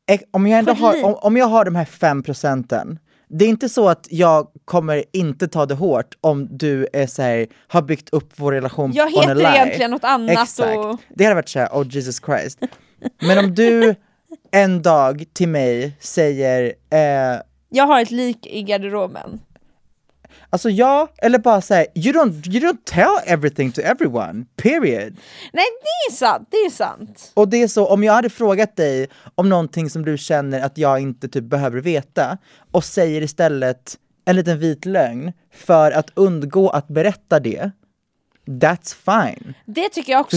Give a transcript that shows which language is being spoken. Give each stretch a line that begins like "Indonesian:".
Swedish: Om jag ändå har, om jag har de här 5%, det är inte så att jag kommer inte ta det hårt om du är så här, har byggt upp vår relation online. Jag heter online. Egentligen något annat. Exakt. Och... Det hade varit så här,
English: oh Jesus Christ.
Swedish: Men om du... En dag till mig säger jag har ett lik i garderoben. Alltså ja, eller bara säga
English: you don't tell everything to everyone.
Swedish: Period. Nej, det är sant, det är sant. Och det är så, om jag hade frågat dig om någonting som du känner att jag inte typ behöver veta och säger istället en liten vit lögn för att undgå att berätta det.
English: That's fine.
Swedish: Det tycker jag också.